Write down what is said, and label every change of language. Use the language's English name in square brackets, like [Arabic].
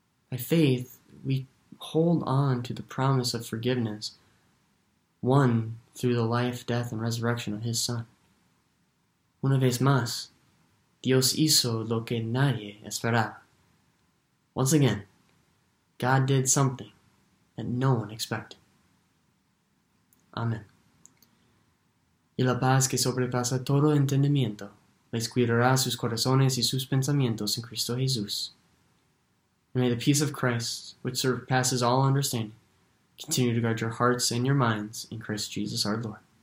[English] By faith, we hold on to the promise of forgiveness won through the life, death, and resurrection of his Son. [Spanish] Una vez más, Dios hizo lo que nadie esperaba. [English] Once again, God did something that no one expected. Amen. [Spanish] Y la paz que sobrepasa todo entendimiento les cuidará sus corazones y sus pensamientos en Cristo Jesús. [English] And may the peace of Christ, which surpasses all understanding, continue to guard your hearts and your minds in Christ Jesus our Lord.